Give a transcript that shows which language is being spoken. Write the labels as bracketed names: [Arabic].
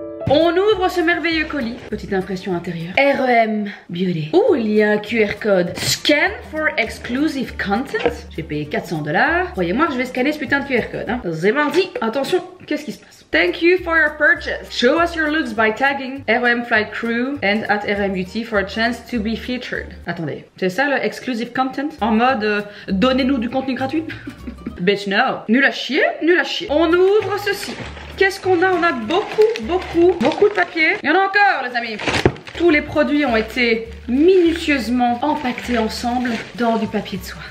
[French] On ouvre ce merveilleux colis. Petite impression intérieure. REM Beauty. Ouh, il y a un QR code. [English] Scan for exclusive content. [French] J'ai payé 400 $. Croyez-moi que je vais scanner ce putain de QR code. Hein. C'est mardi. Attention, qu'est-ce qui se passe? [English] Thank you for your purchase. Show us your looks by tagging REM Flight Crew and at REM Beauty for a chance to be featured. [French] Attendez, c'est ça le exclusive content? En mode, donnez-nous du contenu gratuit? [English] Bitch, no. [French] Nul à chier, nul à chier. On ouvre ceci. Qu'est-ce qu'on a? On a beaucoup, beaucoup, beaucoup de papier. Il y en a encore, les amis. Tous les produits ont été minutieusement empaquetés ensemble dans du papier de soie.